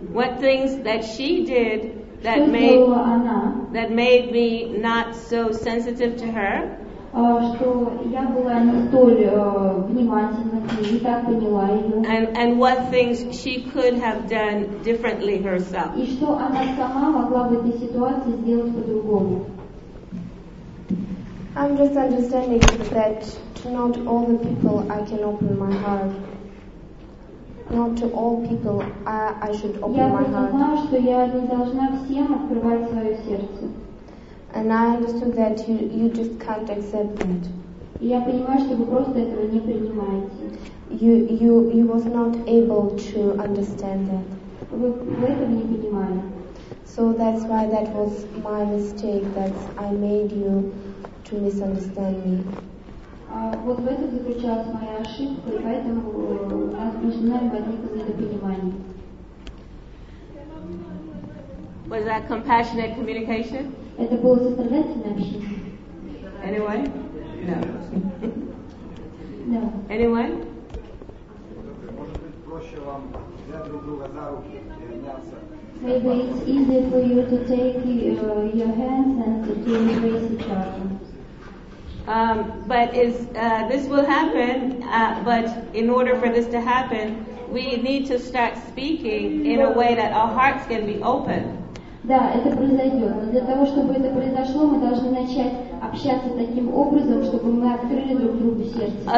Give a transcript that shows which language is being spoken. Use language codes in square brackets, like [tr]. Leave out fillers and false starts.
[en] What things that she did that [ru] что [en] made, [ru] сделала она, [en] that made me not so sensitive to her, [ru] что я была не столь внимательна к ней, не так поняла ее. [en] And what things she could have done differently herself. [ru] И что она сама могла в этой ситуации сделать по-другому. [en] I'm just understanding that not all the people I can open my heart. Not to all people I should open my heart. [ru] Я понимаю, что я не должна всем открывать свое сердце. [en] And I understood that you just can't accept it. [ru] Я понимаю, что вы просто этого не принимаете. [en] You was not able to understand that. [ru] Вы этого не понимали. [en] So that's why that was my mistake, that I made you to misunderstand me. [ru] Вот в этом заключалась моя ошибка, и поэтому начинали возникать недопонимания. [en] Was that compassionate communication? [ru] Это было сострадательное общение? [en] Anyone? No. No. Anyone? [ru] Может быть, проще вам взять друг друга за руки и обняться? [en] Maybe it's easier for you to take your hands and to embrace each other. But in order for this to happen, we need to start speaking in a way that our hearts can be open. [ru] Да, это произойдет. Но для того, чтобы это произошло, мы должны начать общаться таким образом, чтобы мы открыли друг другу сердце.